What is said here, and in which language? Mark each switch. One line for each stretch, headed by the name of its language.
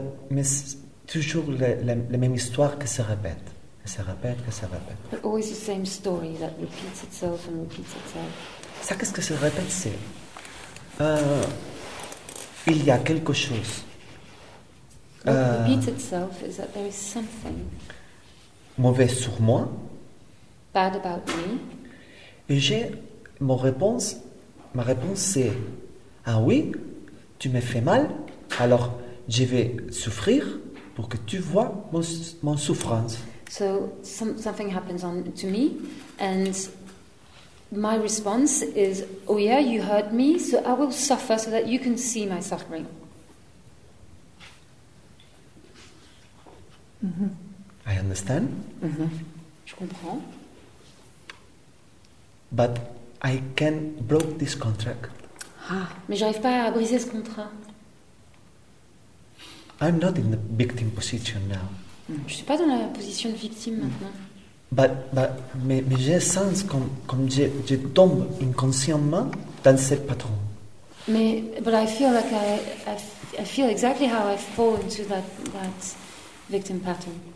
French: Mais toujours la même histoire qui se répète. Se répète, se répète.
English: But always the same story that repeats itself and repeats itself.
French: Ça, qu'est-ce que se répète, c'est il y a quelque chose.
English: What repeats itself is that there is something
French: mauvais sur moi.
English: Bad about me.
French: Et ma réponse c'est ah oui, tu me fais mal, alors je vais souffrir pour que tu vois mon souffrance.
English: So something happens to me, and my response is, oh yeah, you hurt me, so I will suffer so that you can see my suffering. I understand.
French: Je comprends.
English: But I can break this contract.
French: Ah, mais j'arrive pas à briser ce contrat.
English: I'm not in the victim position now.
French: Je ne suis pas dans la position de victime maintenant. Mais j'ai le sens comme je tombe inconsciemment dans ce patron.
English: Mais I feel like I feel exactly how I fall into that victim pattern.